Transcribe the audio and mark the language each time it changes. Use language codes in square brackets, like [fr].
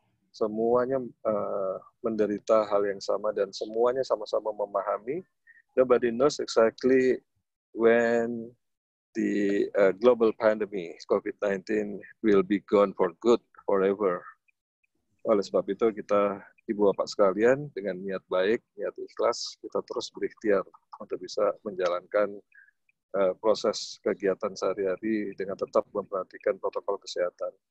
[id] Semuanya menderita hal yang sama dan semuanya sama-sama memahami. [en] Nobody knows exactly when the global pandemic COVID-19 will be gone for good forever. [id] Oleh sebab itu kita, Ibu Bapak sekalian, dengan niat baik, niat ikhlas, kita terus berikhtiar untuk bisa menjalankan proses kegiatan sehari-hari dengan tetap memperhatikan protokol kesehatan.